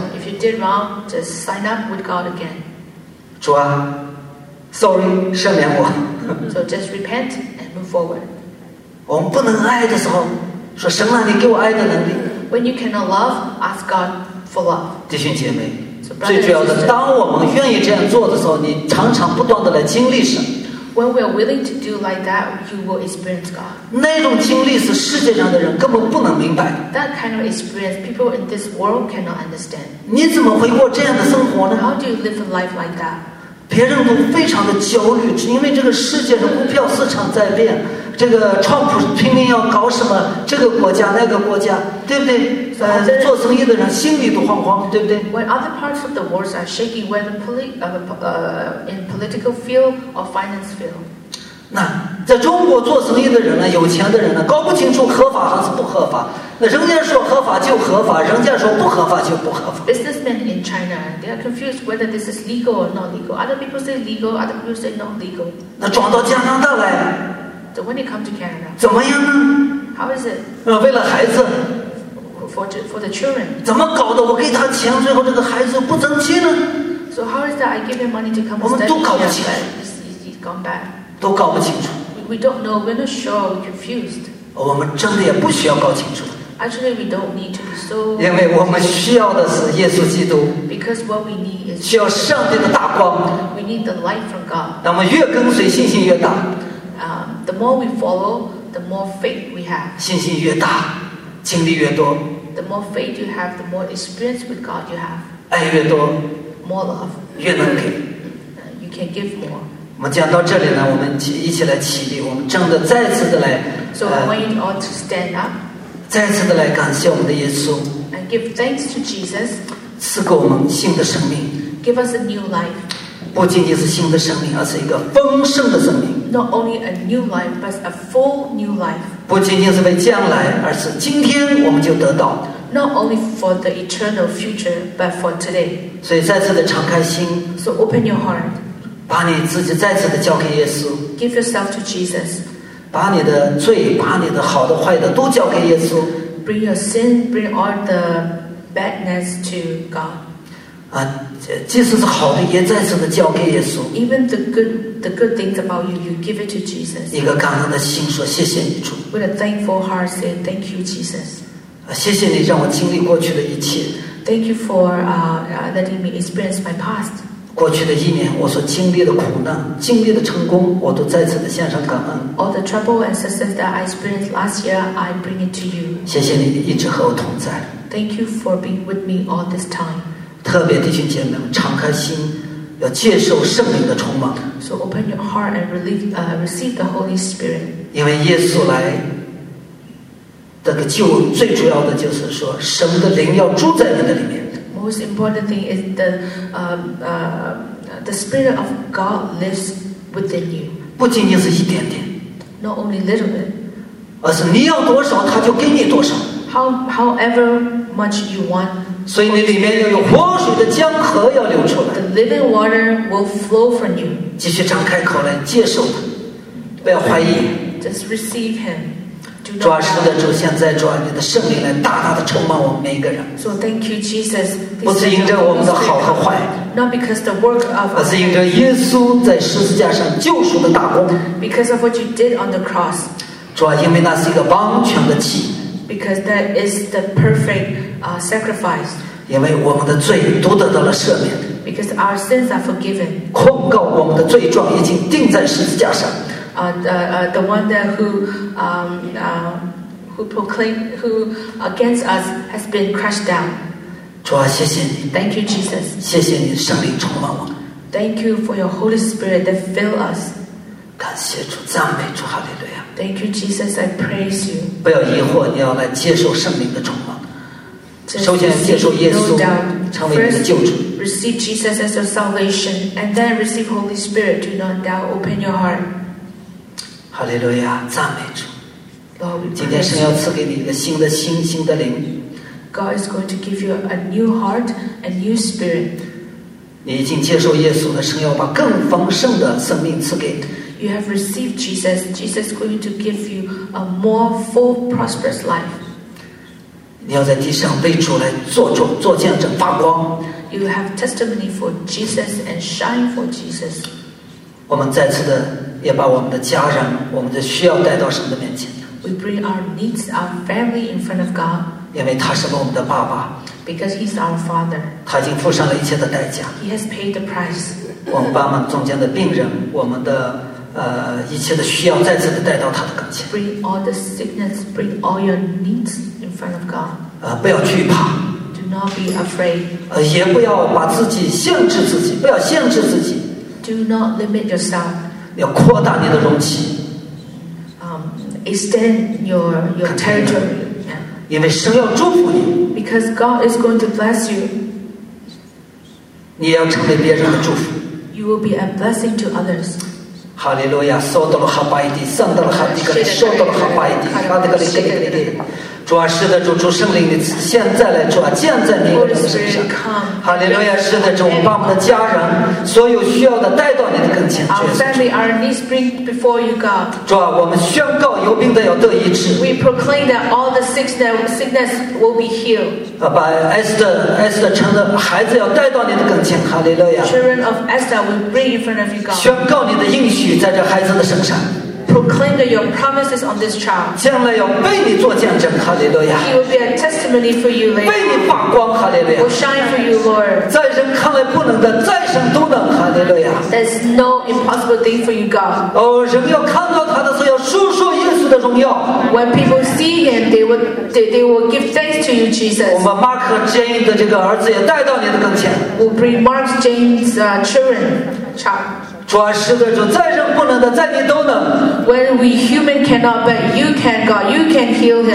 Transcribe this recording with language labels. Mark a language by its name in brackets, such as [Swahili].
[English] If you did wrong, just sign up with God again. [Chinese] 主啊 ， [English] sorry， [Chinese] 赦免我。 [English] So just repent and move forward. [Chinese] 我们不能爱的时候，说神啊，你给我爱的能力。 [English] When you cannot love, ask God for love. [Chinese] 弟兄姐妹，最主要的，当我们愿意这样做的时候，你常常不断的来经历神。 [English] When we are willing to do like that, you will experience God. [Chinese] 那种经历是世界上的人根本不能明白。 [English] That kind of experience, people in this world cannot understand. [Chinese] 你怎么会过这样的生活呢 [English] ？How do you live a life like that? [Chinese] 别人都非常的焦虑，因为这个世界的股票市场在变，这个川普拼命要搞什么，这个国家那个国家，对不对？做生意的人心里都慌慌，对不对 [English] ？When other parts of the world are shaking, whether in political field or finance field. [Chinese] 那在中国做生意的人呢，有钱的人呢，搞不清楚合法还是不合法。那人家说合法就合法，人家说不合法就不合法。 [English] Businessmen in China, they are confused whether this is legal or not legal. Other people say legal, other people say not legal. [Chinese] 那转到加拿大来 [English] ，So when you come to Canada, [Chinese] 怎么样呢 [English] ？How is it？ [Chinese] 为了孩子。 [English] For the children. [Chinese] 怎么搞的？我给他钱，最后这个孩子不争气呢 [English] ？So how is that? I give him money to come. [Chinese] 我们都搞不清 [English] 楚。He's gone back. [Chinese] 都搞不清楚。 [English] We don't know. We're not sure. We're confused. [Chinese] 我们真的也不需要搞清楚。 [English] Actually, we don't need to be so. [Chinese] 因为我们需要的是耶稣基督。 [English] Because what we need is. [Chinese] 需要上帝的大光。 [English] We need the light from God. [Chinese] 那么越跟随，信心越大。 [English] The more we follow, the more faith we have. [Chinese] 信心越大，经历越多。 [English] The more faith you have, the more experience with God you have. [Chinese] 爱越多 [English] ，more love. [Chinese] 越能给 [English] ，you can give more. [Chinese] 我们讲到这里呢，我们一起来起立，我们真的再次的来。 [English] So I want you all to stand up. [Chinese] 再次的来感谢我们的耶稣。 [English] And give thanks to Jesus. [Chinese] 赐给我们新的生命。 [English] Give us a new life. [Chinese] 不仅仅是新的生命，而是一个丰盛的生命。 [English] Not only a new life, but a full new life. [Chinese] 不仅仅是为将来，而是今天我们就得到。 [English] Not only for the eternal future, but for today. [Chinese] 所以再次的敞开心。 [English] So open your heart. [Chinese] 把你自己再次的交给耶稣。 [English] Give yourself to Jesus. [Chinese] 把你的罪，把你的好的坏的都交给耶稣。 [English] Bring your sin, bring all the badness to God. [Chinese] 即使是好的，也再次的交给耶稣。 [English] Even the good, the good things about you, you give it to Jesus. [Chinese] 一个感恩的心说谢谢你主。 [English] With a thankful heart, say thank you, Jesus. [Chinese] 谢谢你让我经历过去的一切。 [English] Thank you for letting me experience my past. [Chinese] 过去的一年，我所经历的苦难、经历的成功，我都再次的献上感恩。 [English] All the trouble and success that I experienced last year, I bring it to you. [Chinese] 谢谢你一直和我同在。 [English] Thank you for being with me all this time. [Chinese] 特别弟兄姐妹们，敞开心。要接受圣灵的充满。 [English] So open your heart and receive the Holy Spirit. [Chinese] 因为耶稣来这个救恩最主要的就是说神的灵要住在你的里面。 [English] Most important thing is the Spirit of God lives within you. [Chinese] 不仅仅是一点点。 [English] Not only little bit. [Chinese] 而是你要多少他就给你多少。 [English] However much you want. [Chinese] 所以你里面要有活水的江河要流出来。 [English] The living water will flow from you. [Chinese] 继续张开口来接受他，不要怀疑。 [English] Just receive him. [Chinese] 主啊，是的，主，现在主啊，你的圣灵来大大的充满我们每一个人。 [English] So thank you, Jesus. [Chinese] 不是因着我们的好和坏。 [English] Not because the work of. [Chinese] 而是因着耶稣在十字架上救赎的大功。 [English] Because of what you did on the cross. [Chinese] 主啊，因为那是一个完全的祭。 [English] Because that is the perfect sacrifice. [Chinese] 因为我们的罪都得到了赦免。 [English] Because our sins are forgiven. [Chinese] 控告我们的罪状已经钉在十字架上。 [English] The one that who against us has been crushed down. [Chinese] 主啊，谢谢你。 [English] Thank you, Jesus. [Chinese] 谢谢你的圣灵充满我。 [English] Thank you for your Holy Spirit that fill us. [Chinese] 感谢主，赞美主，哈利路亚。 [English] Thank you, Jesus. I praise you. [Chinese] 不要疑惑，你要来接受圣灵的充满。首先接受耶稣，成为你的救主。 [English] Receive Jesus as your salvation, and then receive Holy Spirit. Do not doubt. Open your heart. [Chinese] Hallelujah! 赞美主。 [English] Lord, [Chinese] 今天神要赐给你一个新的心、新的灵。 [English] God is going to give you a new heart, a new spirit. [Chinese] 你已经接受耶稣了，神要把更丰盛的生命赐给。 [English] You have received Jesus. Jesus is going to give you a more full, prosperous life. [Chinese] 你要在地上为主来做主、做见证、发光。 [English] You have testimony for Jesus and shine for Jesus. [Chinese] 我们再次的也把我们的家人、我们的需要带到神的面前。 [English] We bring our needs, our family in front of God. [Chinese] 因为他是我们的爸爸。 [English] Because he's our father. [Chinese] 他已经付上了一切的代价。 [English] He has paid the price. [Chinese] 我们把我们中间的病人、我们的一切的需要再次的带到他的跟前。 [English] Bring all the sickness, bring all your needs in front of God. [Chinese] 不要惧怕。 [English] Do not be afraid. [Chinese] 也不要把自己限制自己，不要限制自己。 [English] Do not limit yourself. [Chinese] 要扩大你的容器。 [English] Extend your territory. [Chinese] 因为神要祝福你。 [English] Because God is going to bless you. [Chinese] 你要成为别人的祝福。 [English] You will be a blessing to others. 哈利路亚，收到了哈巴伊地，上到了哈迪格里，收到了哈巴伊地，哈迪格里格里格里。 [Chinese] 主啊，是的，主圣灵，你现在来，主啊，建在你的身上。哈利路亚，是的，主，把我们的家人所有需要的带到你的跟前。 [English] Our family, our needs bring before you, God. [Chinese] 主啊，我们宣告有病的要得医治。 [English] We proclaim that all the sickness will be healed. [Chinese] 把Esther城的孩子要带到你的跟前。哈利路亚。 [English] Children of Esther will bring in front of you, God. [Chinese] 宣告你的应许在这孩子的身上。 [English] Proclaim that your promises on this child. [Chinese] 将来要为你做见证，哈利路亚。 [English] He will be a testimony for you, Lord. [Chinese] 为你发光，哈利路亚。 [English] Will shine for you, Lord. [Chinese] 在神看来不能的，在神都能，哈利路亚。 [English] There's no impossible thing for you, God. [Chinese] 人要看到他的时候，要述说耶稣的荣耀。 [English] When people see him, they will give thanks to you, Jesus. [Chinese] 我们 Mark和 Jane 的这个儿子也带到你的跟前。 [English] We'll bring Mark Jane's children, child. [Chinese] 主啊，是的，主，在人不能的，在你都能。 [English] When we human cannot, but you can, God, you can heal him.